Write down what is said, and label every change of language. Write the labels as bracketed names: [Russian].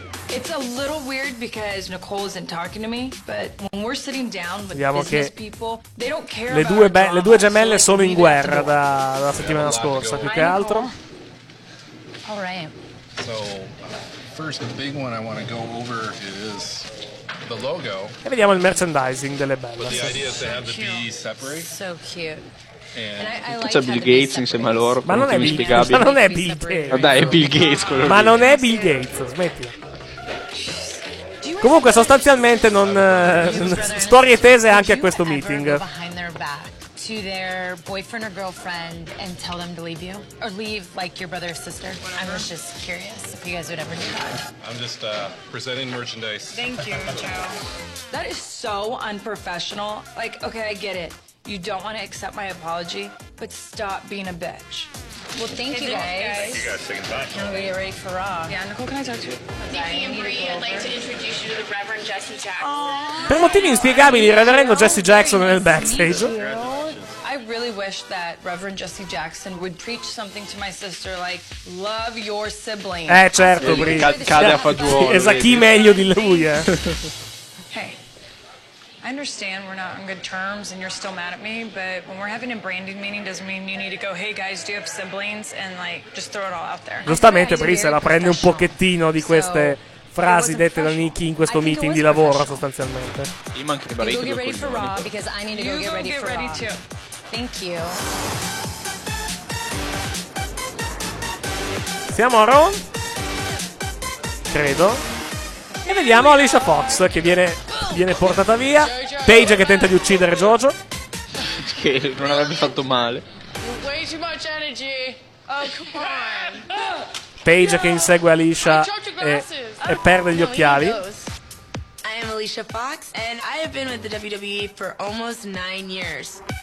[English] It's a little weird because Nicole isn't talking to me, but when we're sitting down with business people, they don't care. [Italian] Le due gemelle sono in guerra dalla settimana scorsa, più che altro. [English] All right. So, first the big one I want to go over is the logo. [Italian] E vediamo il merchandising delle Bella. [English] The idea is to have the B separate. So cute. [Italian] C'è Bill Gates insieme a loro, ma non è Bill Gates. Ma non è Bill Gates. Ma dai, è Bill Gates quello. Ma non è Bill Gates, smetti. Comunque, sostanzialmente, non. Storie tese anche a questo meeting. [English] To their boyfriend or girlfriend and tell them to leave you? Or leave like your brother or sister? Whatever. I was just curious if you guys would ever do that. I'm just presenting merchandise. Thank you, Joe. That is so unprofessional. Like, okay, I get it. You don't want to accept my apology, but stop being a bitch. Well, thank you guys. Thank you guys. Thank you. I'm gonna get ready for Rob. Yeah, Nicole, can I talk to you? Nikki and Bree, I'd like to introduce you to the Reverend Jesse Jackson. Aww. [Italian] Per motivi inspiegabili, il reverendo Jesse Jackson nel backstage. [English] I really wish that Reverend Jesse Jackson would preach something to my sister like love your sibling. [Italian] Certo, Bree. Cade a fagiolo. Esatto, chi meglio di lui, eh? [English] I understand we're not on good terms and you're still mad at me, but when we're having a branding meeting doesn't mean you need to go, hey guys, do you have siblings, and like just throw it all out there. [Italian] Giustamente Bree se la prende un pochettino di queste frasi dette da Nikki in questo meeting di lavoro, sostanzialmente. Io manco di parecchio. [English] You go get ready for Raw, because I need to go get ready too. Thank you. [Italian] Siamo a Raw? Credo. E vediamo Alicia Fox che viene portata via. Paige che tenta di uccidere Jojo. che non avrebbe fatto male. [English] Way too much energy. Oh, come on. [Italian] Paige che insegue Alicia e perde gli occhiali. [English] I am Alicia Fox and I have been with the WWE for almost 9 years.